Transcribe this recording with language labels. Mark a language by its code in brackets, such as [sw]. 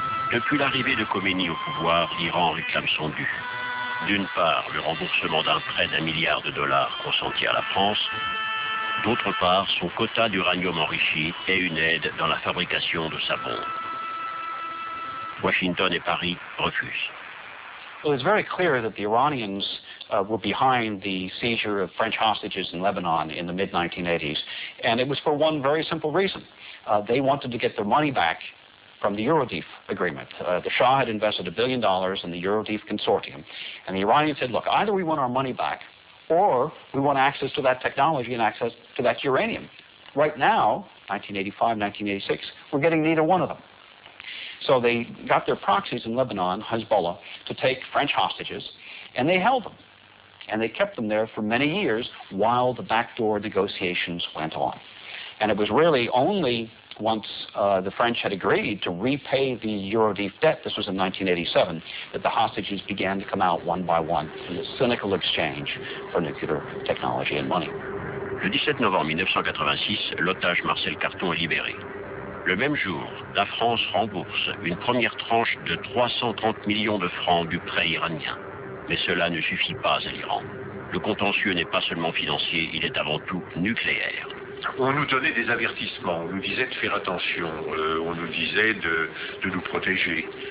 [fr] Depuis l'arrivée de Khomeini au pouvoir, l'Iran réclame son dû. D'une part, le remboursement d'un prêt $1 milliard consenti à la France. D'autre part, son quota d'uranium enrichi et une aide dans la fabrication de sa bombe. Washington et Paris refusent. [en] Well, it's very clear that the Iranians were behind the seizure of French hostages in Lebanon in the mid-1980s. And it was for one very simple reason. They wanted to get their money back from the Eurodif agreement. The Shah had invested $1 billion in the Eurodif consortium. And the Iranians said, look, either we want our money back or we want access to that technology and access to that uranium. Right now, 1985, 1986, we're getting neither one of them. So they got their proxies in Lebanon, Hezbollah, to take French hostages, and they held them. And they kept them there for many years while the backdoor negotiations went on. And it was really only once the French had agreed to repay the Eurodif debt, this was in 1987, that the hostages began to come out one by one in a cynical exchange for nuclear technology and money. [fr] Le 17 novembre 1986, l'otage Marcel Carton est libéré. Le même jour, la France rembourse une première tranche de 330 millions de francs du prêt iranien. Mais cela ne suffit pas à l'Iran. Le contentieux n'est pas seulement financier, il est avant tout nucléaire. On nous donnait des avertissements, on nous disait de faire attention, on nous disait de nous protéger.